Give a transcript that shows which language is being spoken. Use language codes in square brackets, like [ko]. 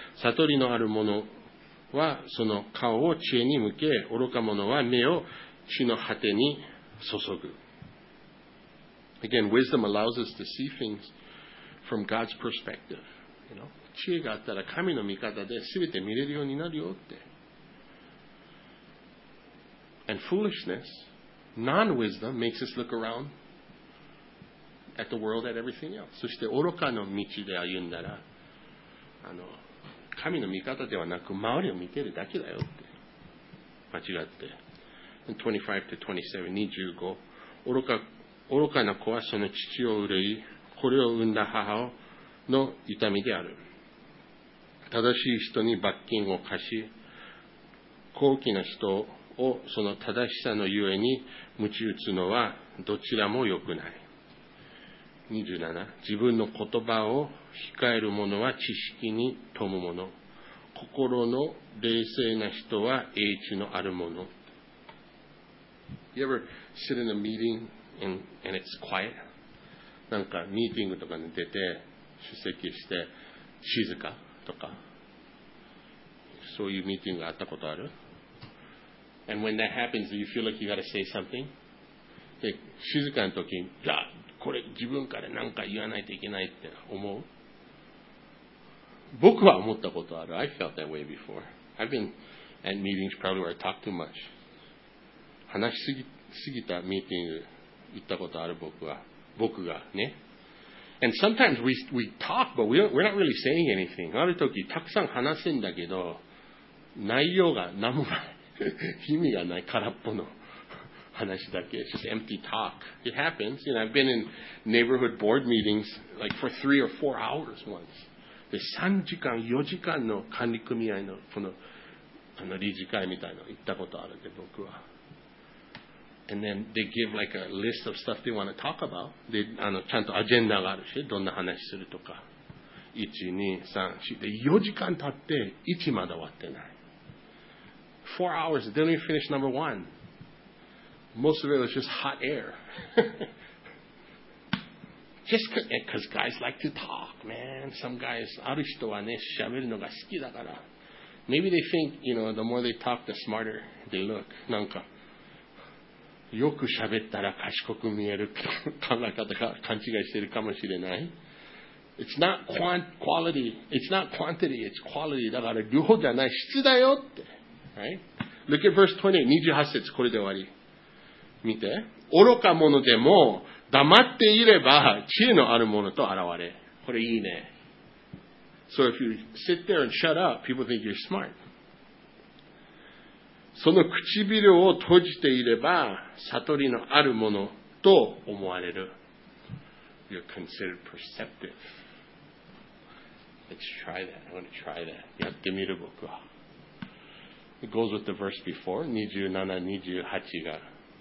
[ja] 悟りのある者はその顔を知恵に向け、愚か者は目を地の果てに注ぐ。 [en] Again, wisdom allows us to see things. From God's perspective, you know, [ja] 知恵があったら神の見方で全て見れるようになるよって。 [en] And foolishness, non-wisdom, makes us look around at the world, at everything else. [ja] そして愚かの道で歩んだら、あの、神の見方ではなく周りを見てるだけだよって。間違って。 [en] And 25:27, [ja] 25, 愚かな子はその父を憂い、これを産んだ母の痛みである。正しい人に罰金を課し、高貴な人をその正しさのゆえに鞭打つのはどちらも良くない。 27. 自分の言葉を控えるものは知識に富むもの。心の冷静な人は英知のあるもの。 [en] You ever sit in a meeting and it's quiet? [ja] なんかミーティングとかに出て出席して静かとか、そういうミーティングがあったことある？ [en] And when that happens, do you feel like you gotta say something? [ja] で、静かな時に、じゃあこれ自分から何か言わないといけないって思う？僕は思ったことある。 [en] I felt that way before. I've been at meetings probably where I talk too much. [ja] 話しすぎたミーティング行ったことある僕は。僕がね。 [en] And sometimes we talk, but we're not really saying anything. [ja] ある時たくさん話すんだけど、内容が何もない。意味がない。空っぽの話だけ。 [en] Just empty talk. It happens. You know, I've been in neighborhood board meetings like for 3 or 4 hours once. [ja] で3時間、4時間の管理組合のこの、あの理事会みたいなの行ったことあるで、僕は。 [en] And then they give like a list of stuff they want to talk about. [ja] で、あの、ちゃんとアジェンダがあるし、どんな話するとか。 1、2、3、4。で、4時間経って、1まだ終わってない。 [en] 4 hours, they don't even finish number one. Most of it was just hot air. Just because guys like to talk, man. Some guys, [ja] ある人はね、喋るのが好きだから。 [en] Maybe they think, you know, the more they talk, the smarter they look. [ja] なんか、よく喋ったら賢く見える考え方か、勘違いしてるかもしれない。 [en] It's not quality, it's not quantity, it's quality. [ja] だから、両方じゃない、質だよって。 [en] Right? Look at verse 28, [ja] 28節、これで終わり。見て。愚か者でも、黙っていれば知恵のあるものと現れ。これいいね。 [en] So if you sit there and shut up, people think you're smart. [ja] その唇を閉じていれば悟りのあるものと思われる。 [en] You're considered perceptive. Let's try that. I want to try that. [ja] やってみる僕は。 [en] It goes with the verse before, 27, 28が。